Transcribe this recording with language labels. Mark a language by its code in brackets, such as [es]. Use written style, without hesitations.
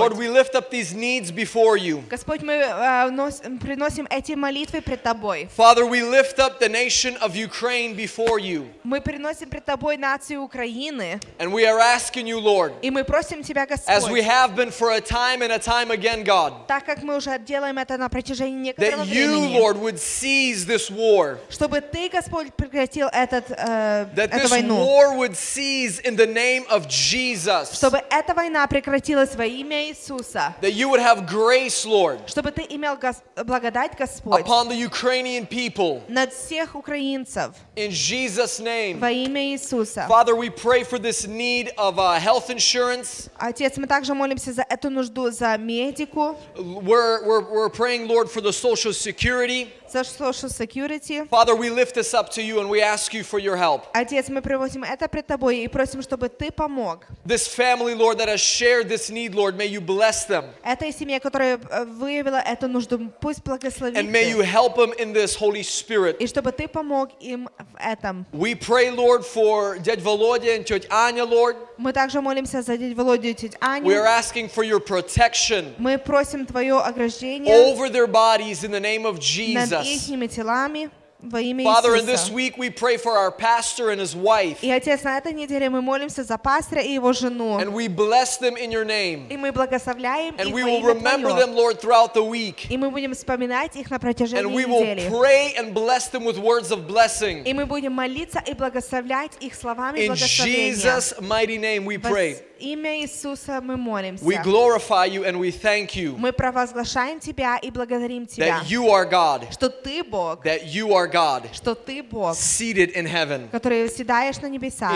[en] Lord, we lift up these needs before you. [ru] Господь, мы приносим эти молитвы пред тобой. [en] Father, we lift up the nation of Ukraine before you. [ru] Мы приносим пред тобой нацию Украины. [en] And we are asking you, Lord. [ru] И мы просим тебя, Господь. [en] As we have been for a time again, God. [ru] Так как мы уже делаем это на протяжении некоторого времени. [en] That you, Lord, would seize this war. [ru] Чтобы ты, Господь, прекратил этот эту войну. [en] That this war would cease in the name of Jesus. [ru] Чтобы эта война прекратилась во имя Иисуса. [en] That you would have grace, Lord. [ru] Чтобы ты имел благодать, Господь. [en] Upon the Ukrainian people. [ru] Над всех украинцев. [en] In Jesus' name. [ru] Во имя Иисуса. [en] Father, we pray for this need of health insurance. [ru] Отец, мы также молимся за эту нужду, за медику. [en] We're praying, Lord, for the social security. За social security. Father, we lift this up to you and we ask you for your help. [ru] Отец, мы приводим это пред тобой и просим, чтобы ты помог. [en] This family, Lord, that has shared this need, Lord, may you bless them. [ru] Этой семье, которая выявила эту нужду, пусть благословит. [en] And may you help them in this, Holy Spirit. [ru] И чтобы ты помог им в этом. [en] We pray, Lord, for дядь Володя and тетя Аня, Lord. [ru] Мы также молимся за дядь Володю и тетю Аню. [en] We are asking for your protection. [ru] Мы просим твое ограждение. [en] Over their bodies in the name of Jesus. [ru] Над ихними телами. [en] Father, in this week we pray for our pastor and his wife. [ru] И отец, на этой неделе мы молимся за пастора и его жену. [en] And we bless them in your name. [ru] И мы благословляем их. [en] And we will remember them, Lord, throughout the week. [ru] И мы будем вспоминать их на протяжении недели. [en] And we will pray and bless them with words of blessing. [ru] И мы будем молиться и благословлять их словами благословения. [en] In Jesus' mighty name we pray. [ru] Имя Иисуса мы молимся. [en] We glorify you and we thank you. [ru] Мы провозглашаем тебя и благодарим тебя. [en] That you are God. [ru] Что ты Бог. [en] That you are God. [ru] Что ты Бог. [en] Seated in heaven. [ru] Который восседаешь на небесах.